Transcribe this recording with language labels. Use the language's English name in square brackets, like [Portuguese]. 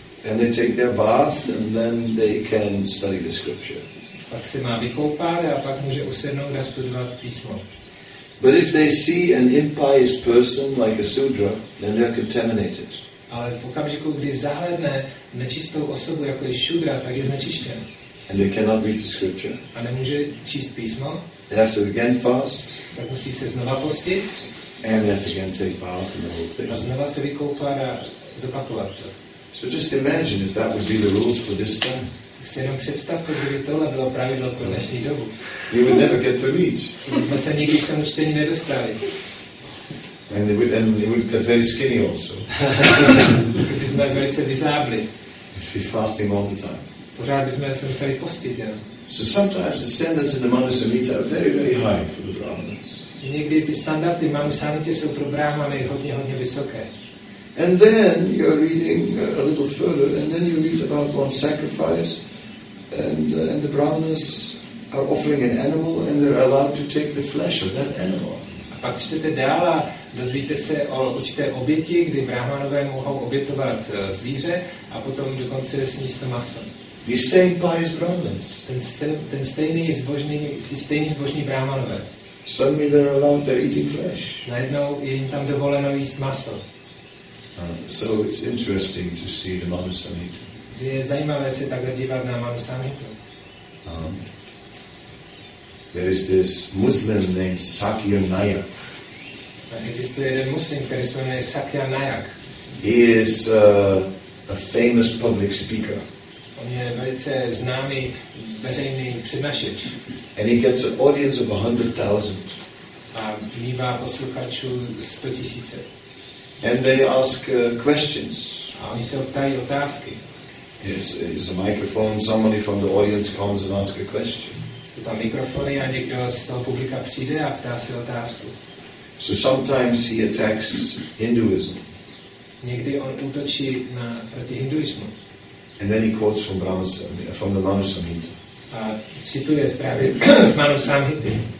[English] And they take their bath and then they can study the scripture. [Czech] Pak se má vykoupat a pak může usednout a studovat písmo. [English] But if they see an impious person like a sudra, then they're contaminated. [Czech] Ale v okamžiku, kdy zahledne nečistou osobu jako je šudra, tak je znečištěn. [English] And they cannot read the scripture. [Czech] A nemůže číst písmo. [English] They have to again fast. [Czech] Tak musí se znova postit. [English] And they have to again take bath and the whole thing. [Czech] A znova se vykoupat a zopakovat to. [English] So just imagine if that would be the rules for this time. [Czech] Si jenom představte, kdyby tohle bylo pravidlo pro dnešní dobu. [English] You would never get to read. [Czech] My jsme se nikdy k tomu čtení nedostali. [English] And it would get very skinny also. [Czech] My jsme velice vyzábli. [English] We'd be fasting all the time. [Czech] Pořád bychom se museli postit, jo. [English] So sometimes the standards in the Manusamhita are very, very high for the Brahmanas. [Czech] Někdy ty standardy Manusamhity jsou pro Brahmany hodně, hodně vysoké. [English] And then you're reading a little further, and then you read about one sacrifice, and the brahmanas are offering an animal, and they're allowed to take the flesh of that animal. [Czech] A pak čtete dál a dozvíte se o určité oběti, kdy brahmanové mohou obětovat zvíře, a potom dokonce sníst to maso. [English] The same pious brahmanas. [Czech] Ten stejný zbožný brahmanové. [English] Suddenly they're allowed, they're eating flesh. [Czech] Najednou je jim tam dovoleno jíst maso. [English] So it's interesting to see the Manusamhita. [Czech] Je zajímavé se takhle dívat na Manusamhitu. [English] There is this Muslim named Sakya Nayak. [Czech] Existuje jeden Muslim, který se jmenuje Sakya Nayak. [English] He is a famous public speaker. [Czech] On je velice známý veřejný přednášeč. [English] And he gets an audience of 100,000. [Czech] A mívá posluchačů 100,000. [English] And they ask questions. [Czech] A oni se ptají otázky. [English] There's a microphone, somebody from the audience comes and asks a question. [Czech] Jsou tam mikrofony a někdo z toho publika přijde a ptá se otázku. [English] So sometimes he attacks Hinduism. [Czech] Někdy on útočí na proti hinduismu. [English] And then he quotes from the Manusamhita. [Czech] A cituje právě z Manusamhity.